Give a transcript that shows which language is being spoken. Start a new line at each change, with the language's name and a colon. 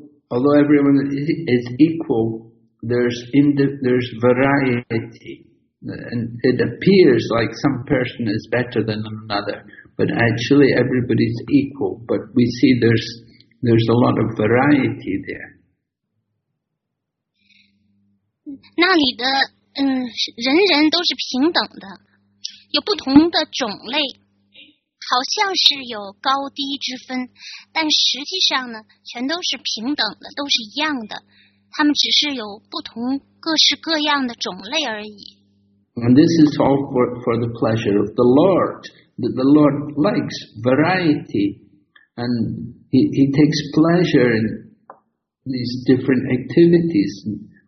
English: although everyone is equal, there's variety, and it appears like some person is better than another, but actually everybody's equal. But we see there's a lot of variety there.
Chinese: 那里的人人都是平等的，有不同的种类，好像是有高低之分，但实际上呢，全都是平等的，都是一样的，他们只是有不同各式各样的种类而已。And
English: this is all for the pleasure of the Lord, that the Lord likes variety, and he takes pleasure in these different activities.